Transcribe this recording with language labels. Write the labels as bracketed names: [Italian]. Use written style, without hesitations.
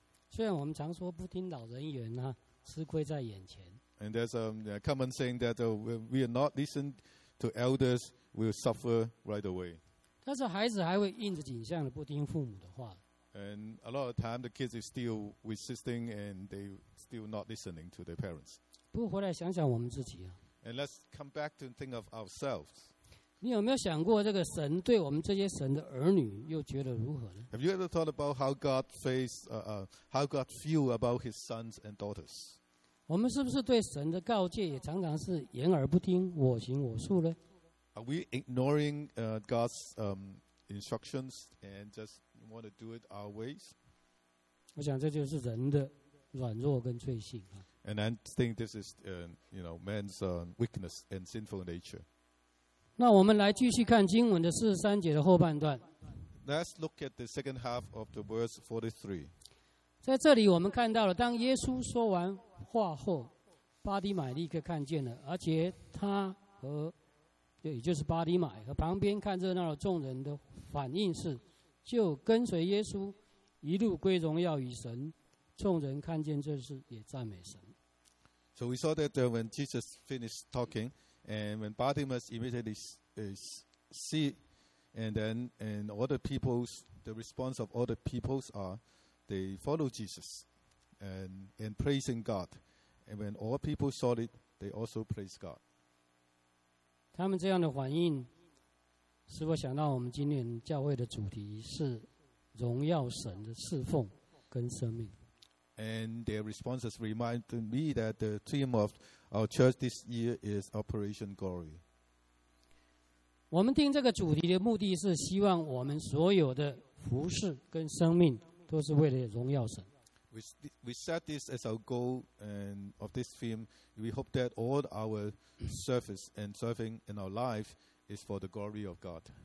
[Chinese] 虽然我们常说不听老人言啊，吃亏在眼前。 [English] And there's a common saying that we are not listened to elders, we'll suffer right away. [Chinese] 但是孩子还会硬着景象的不听父母的话。 [English] And a lot of time the kids are still resisting and they still not listening to their parents. [Chinese] 不过回来想想我们自己啊。 [English] And let's come back to think of ourselves. [Chinese] 你有没有想过这个神对我们这些神的儿女又觉得如何呢？ [English] Have you ever thought about how God feels, how God feel about His sons and daughters? [Chinese] 我们是不是对神的告诫也常常是言而不听，我行我素呢？ [English] Are we ignoring God's instructions and just want to do it our ways? [Chinese] 我想这就是人的软弱跟罪性啊。 [English] And I think this is, you know, man's weakness and sinful nature. [Chinese] 那我们来继续看经文的四十三节的后半段。 [English] Let's look at the second half of the verse 43. [Chinese] 在这里我们看到了，当耶稣说完话后，巴迪买立刻看见了，而且他和，也就是巴迪买和旁边看热闹的众人的反应是，就跟随耶稣，一路归荣耀与神。众人看见这事也赞美神。 [English] So we saw that when Jesus finished talking, and when Bartimaeus immediately see, and then and all the people's the response of all the people's are, they follow Jesus, and praising God, and when all people saw it, they also praise God. [Chinese] 他们这样的反应，使我想到我们今年教会的主题是荣耀神的侍奉跟生命。 [English] And their responses remind me that the theme of our church this year is Operation Glory. [Chinese] 我们定这个主题的目的是希望我们所有的服事跟生命都是为了荣耀神。 [English] We set this as our goal and of this theme. We hope that all our service and serving in our life is for the glory of God.